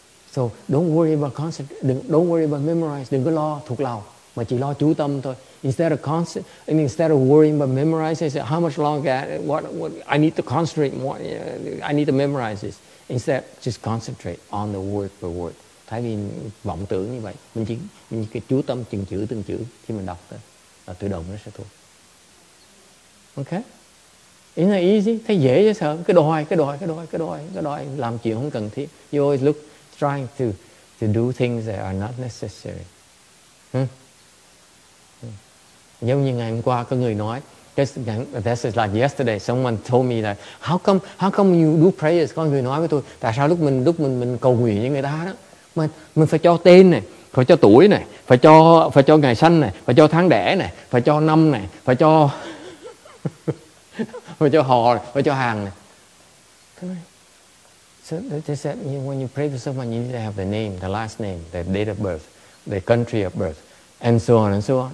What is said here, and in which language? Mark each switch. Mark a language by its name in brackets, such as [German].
[English] So don't worry about memorize, [Vietnamese] đừng có lo thuộc lòng, mà chỉ lo chú tâm thôi. [English] Instead of worrying about memorizing, I say, how much longer, what I need to concentrate more, I need to memorize this. Instead, just concentrate on the word per word. [Vietnamese] Thay vì vọng tưởng như vậy, mình cái chú tâm từng chữ khi mình đọc đó, là tự động nó sẽ thuộc. [English] Okay? Isn't that easy? [Vietnamese] Thấy dễ chứ sợ. Cái đòi, làm chuyện không cần thiết. [English] You always look, trying to do things that are not necessary. [Vietnamese] Giống như ngày hôm qua có người nói, [English] this is like yesterday, someone told me that, how come you do prayers? [Vietnamese] Có người nói với tôi, tại sao lúc mình cầu nguyện với người ta đó, mình phải cho tên này, phải cho tuổi này, phải cho ngày sinh này, phải cho tháng đẻ này, phải cho năm này, phải cho phải cho họ, phải cho hàng này. [English] So they said, you know, when you pray for someone, you need to have the name, the last name, the date of birth, the country of birth, and so on and so on.